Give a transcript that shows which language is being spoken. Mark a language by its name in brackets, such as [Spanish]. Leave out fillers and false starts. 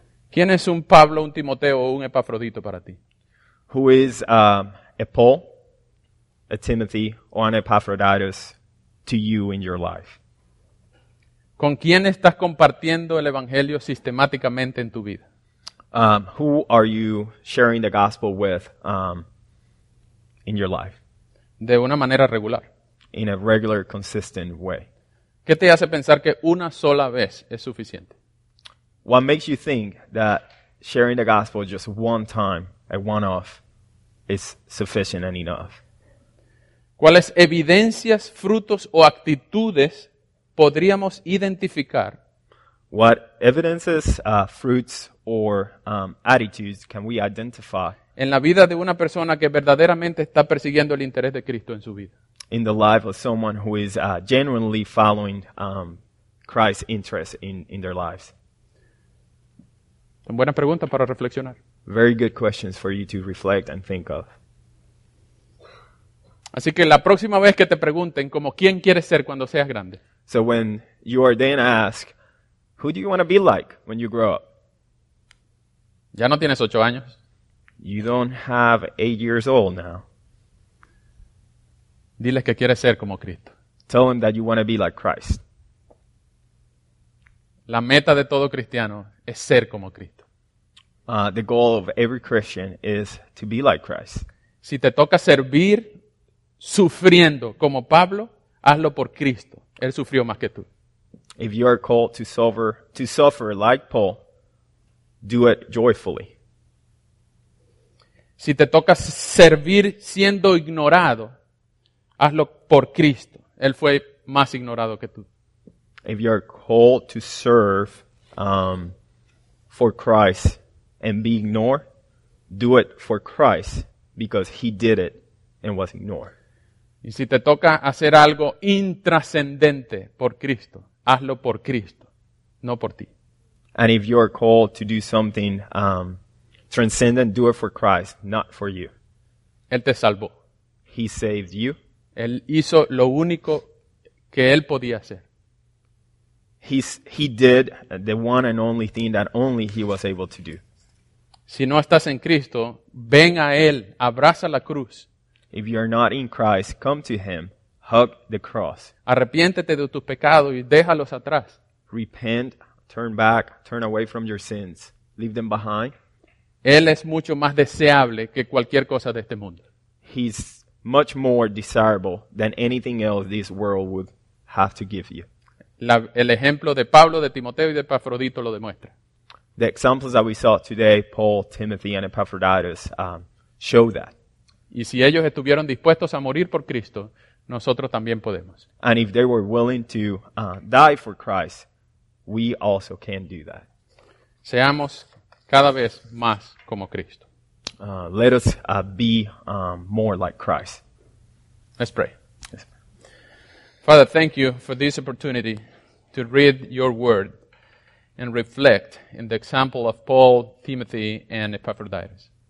[Spanish] ¿Quién es un Pablo, un Timoteo o un Epafrodito para ti? [English] Who is a Paul, a Timothy, or an Epaphroditus to you in your life? [Spanish] ¿Con quién estás compartiendo el evangelio sistemáticamente en tu vida? [English] Who are you sharing the gospel with in your life? [Spanish] De una manera regular. [English] In a regular, consistent way. [Spanish] ¿Qué te hace pensar que una sola vez es suficiente? [English] What makes you think that sharing the gospel just one time, a one-off, is sufficient and enough? [Spanish] ¿Cuáles evidencias, frutos o actitudes podríamos identificar? [English] What evidences, fruits, or attitudes can we identify [Spanish] en la vida de una persona que verdaderamente está persiguiendo el interés de Cristo en su vida? [English] In the life of someone who is genuinely following Christ's interest in their lives. [Spanish] Son buenas preguntas para reflexionar. [English] Very good questions for you to reflect and think of. [Spanish] Así que la próxima vez que te pregunten como quién quieres ser cuando seas grande. [English] So when you are then asked, who do you want to be like when you grow up? [Spanish] Ya no tienes 8 años. [English] You don't have 8 years old now. [Spanish] Diles que quieres ser como Cristo. [English] Tell them that you want to be like Christ. [Spanish] La meta de todo cristiano es ser como Cristo. [English] The goal of every Christian is to be like Christ. [Spanish] Si te toca servir sufriendo como Pablo, hazlo por Cristo. Él sufrió más que tú. [English] If you are called to suffer like Paul, do it joyfully. [Spanish] Si te toca servir siendo ignorado, hazlo por Cristo. Él fue más ignorado que tú. [English] If you are called to serve for Christ and be ignored, do it for Christ because he did it and was ignored. [Spanish] Y si te toca hacer algo intrascendente por Cristo, hazlo por Cristo, no por ti. [English] And if you are called to do something transcendent, do it for Christ, not for you. [Spanish] Él te salvó. [English] He saved you. [Spanish] Él hizo lo único que él podía hacer. [English] He did the one and only thing that only he was able to do. [Spanish] Si no estás en Cristo, ven a él, abraza la cruz. [English] If you are not in Christ, come to him, hug the cross. [Spanish] Arrepiéntete de tus pecados y déjalos atrás. [English] Repent, turn back, turn away from your sins, leave them behind. [Spanish] Él es mucho más deseable que cualquier cosa de este mundo. [English] He's much more desirable than anything else this world would have to give you. [Spanish] El ejemplo de Pablo, de Timoteo y de Epafrodito lo demuestra. [English] The examples that we saw today, Paul, Timothy, and Epaphroditus, show that. [Spanish] Y si ellos estuvieron dispuestos a morir por Cristo, nosotros también podemos. [English] And if they were willing to die for Christ, we also can do that. [Spanish] Seamos cada vez más como Cristo. [English] Let us be more like Christ. Let's pray. Father, thank you for this opportunity to read your word and reflect in the example of Paul, Timothy, and Epaphroditus.